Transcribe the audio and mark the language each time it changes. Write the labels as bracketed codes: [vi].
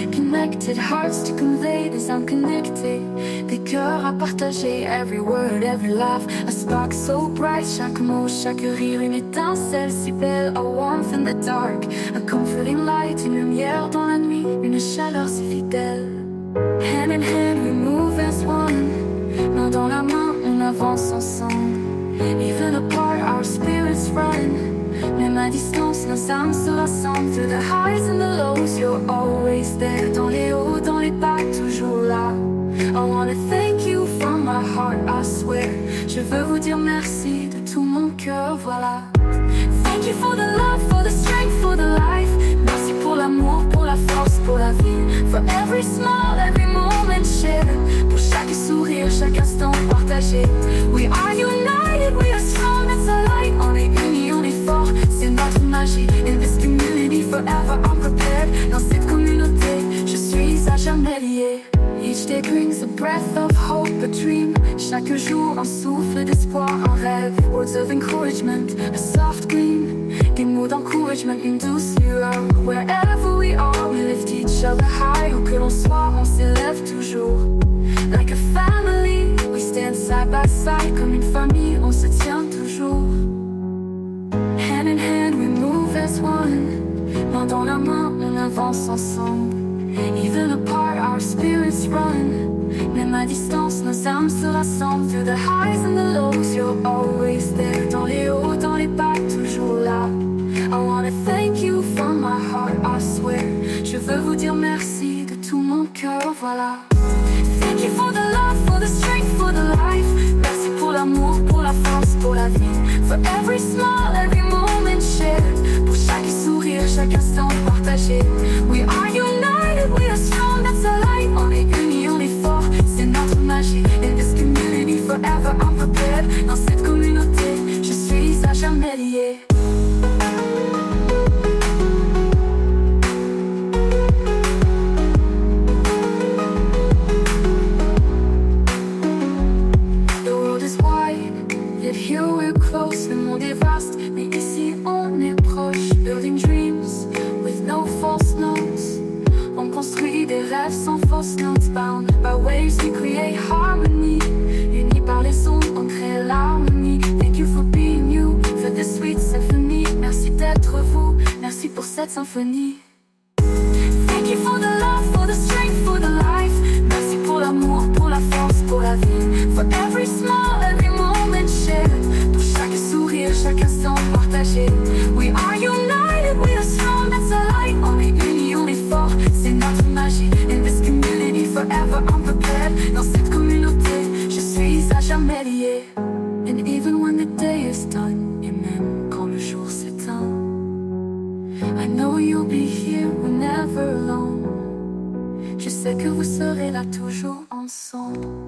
[en] Connected hearts to convey [fr] des âmes connectées. Des cœurs à partager, [en] every word, every laugh. A spark so bright, [fr] chaque mot, chaque rire. Une étincelle si belle, [en] a warmth in the dark. A comforting light, [fr] une lumière dans la nuit. Une chaleur si fidèle. [en] Hand in hand, we move as one. [fr] Main dans la main, on avance ensemble. [en] Even apart, our spirits run. [fr] Même à distance, nos âmes se rassemblent. [en] Through the highs and the lows, you're always there. [fr] Dans les hauts, dans les bas, toujours là. [en] I wanna thank you from my heart, I swear. [fr] Je veux vous dire merci de tout mon cœur, voilà. [en] Thank you for the love, for the strength, for the life. [fr] Merci pour l'amour, pour la force, pour la vie. [en] For every smile, every moment shared. [fr] Pour chaque sourire, chaque instant partagé. [en] We are united, we are strong, it's a light. [fr] On est unis, on est fort, c'est notre magie. [en] In this community, forever I'm prepared. [fr] Dans cette communauté, je suis à jamais lié. [en] Each day brings a breath of hope, a dream. [fr] Chaque jour, un souffle d'espoir, un rêve. [en] Words of encouragement, a soft gleam. [fr] Des mots d'encouragement, une douce lueur. [en] Wherever we are, we lift each other high. [fr] Où que l'on soit, on s'élève toujours. [en] Like a family, we stand side by side. [fr] Comme une famille, on se tient toujours. [en] Hand in hand, we move as one. [fr] Main dans la main, on avance ensemble. [en] Even apart, our spirits run. [fr] Même à distance, nos âmes se rassemblent. [en] Through the highs and the lows, you're always there. [fr] Dans les hauts, dans les bas, toujours là. [en] I wanna thank you from my heart, I swear. [fr] Je veux vous dire merci de tout mon cœur, voilà. [en] Thank you for the love, for the strength, for the life. [fr] Merci pour l'amour, pour la force, pour la vie. [en] For every smile, every moment shared. [fr] Pour chaque sourire, chaque instant partagé. [en] We are united. We are strong, that's a light. [fr] On est unis, on est fort, c'est notre magie. [en] In this community, forever I'm prepared. [fr] Dans cette communauté, je suis à jamais lié. [en] The world is wide, yet here we're close. [fr] Le monde est vaste, mais ici on est proche. [en] Building dreams with no false notes. [fr] On construit des rêves sans fausse notes. [en] Bound by waves, we create harmony. [fr] Unis par les ondes, on crée l'harmonie. [en] Thank you for being you, for this sweet symphony. [fr] Merci d'être vous, merci pour cette symphonie. [en] Thank you for the love, for the strength, for the life. [fr] Merci pour l'amour, pour la force, pour la vie. [en] For every smile, every moment shared. [fr] Pour chaque sourire, chaque instant partagé. [en] We are united, we are strong, that's a light. [fr] On est unis, on est fort. [en] In this community, forever I'm prepared. [fr] Dans cette communauté, je suis à jamais lié. [en] And even when the day is done, [fr] et même quand le jour s'éteint, [en] I know you'll be here whenever alone. [fr] Je sais que vous serez là toujours ensemble.